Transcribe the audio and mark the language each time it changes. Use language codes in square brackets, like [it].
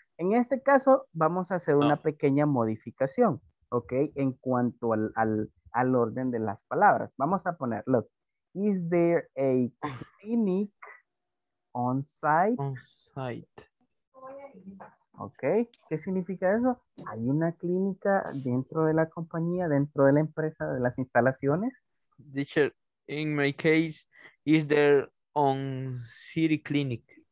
[es] En este caso, vamos a hacer una pequeña modificación, ¿ok? En cuanto al orden de las palabras. Vamos a poner, [en] look, is there a clinic on site? On site. [es] ¿Ok? ¿Qué significa eso? ¿Hay una clínica dentro de la compañía, dentro de la empresa, de las instalaciones? [en] Teacher, in my case, is there on city clinic?